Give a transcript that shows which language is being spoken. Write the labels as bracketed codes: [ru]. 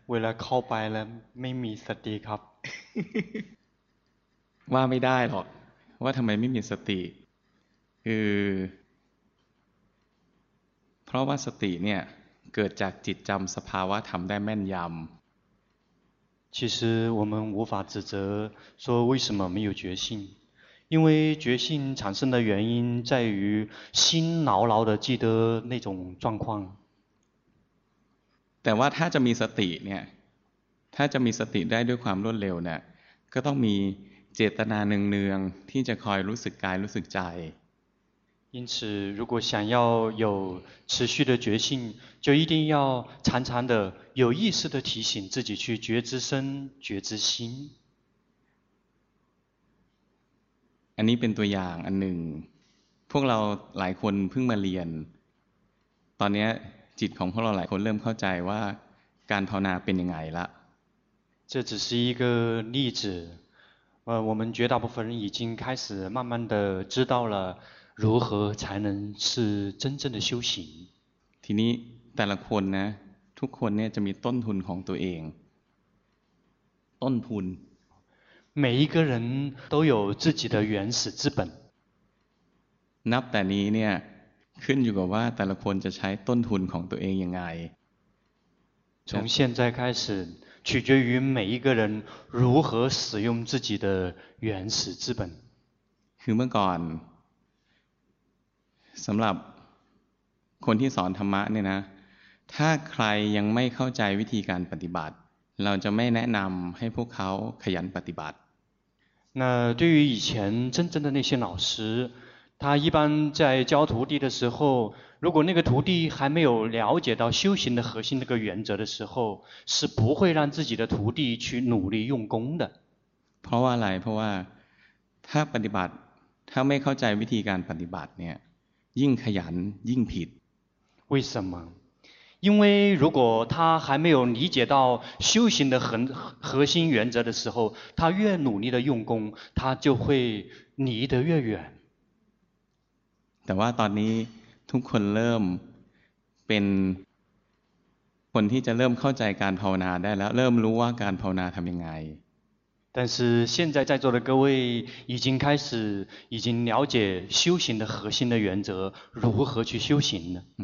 [th] เวลาเข้าไปแล้วไม่มีสติครับ ว่าไม่ได้หรอกว่าทำไมไม่มีสติคือเพราะว่าสติเนี่ยเกิดจากจิตจำสภาวะธรรมได้แม่นยำ [zh] 其实我们无法指责说为什么没有决心，因为决心产生的原因在于心牢牢地记得那种状况。 [th] แต่ว่าถ้าจะมีสติเนี่ยถ้าจะมีสติได้ด้วยความรวดเร็วเนี่ยก็ต้องมีเจตนาเนืองๆที่จะคอยรู้สึกกายรู้สึกใจ [zh] 因此，如果想要有持续的觉性，就一定要常常的有意识的提醒自己去觉知身、觉知心。 [th] อันนี้เป็นตัวอย่างอันหนึ่งพวกเราหลายคนเพิ่งมาเรียนตอนนี้จิตของพวกเราหลายคนเริ่มเข้าใจว่าการภาวนาเป็นยังไงละ [zh] 这只是一个例子，我们绝大部分人已经开始慢慢的知道了。如何才能是真正的修行？ [th] ทีนี้แต่ละคนนะทุกคนเนี่ยจะมีต้นทุนของตัวเองต้นทุน [zh] 每一个人都有自己的原始资本。 [th] นับแต่นี้เนี่ยขึ้นอยู่กับว่าแต่ละคนจะใช้ต้นทุนของตัวเองยังไง [zh] 从现在开始，取决于每一个人如何使用自己的原始资本。 [th] คือเมื่อก่อนสำหรับคนที่สอนธรรมะเนี่ยนะถ้าใครยังไม่เข้าใจวิธีการปฏิบัติเราจะไม่แนะนำให้พวกเขาขยันปฏิบัติ [zh] 那对于以前真正的那些老师他一般在教徒弟的时候如果那个徒弟还没有了解到修行的核心那个原则的时候是不会让自己的徒弟去努力用功的 [th] เพราะว่าอะไรเพราะว่าถ้าปฏิบัติถ้าไม่เข้าใจวิธีการปฏิบัติเนี่ยยิ่งขยันยิ่งผิด [zh] 为什么因为如果他还没有理解到修行的核心原则的时候他越努力的用功他就会离得越远 [th] แต่ว่าตอนนี้ทุกคนเริ่มเป็นคนที่จะเริ่มเข้าใจการภาวนาได้แล้วเริ่มรู้ว่าการภาวนาทำยังไง [zh] 但是现在在座的各位已经开始已经了解修行的核心的原则如何去修行呢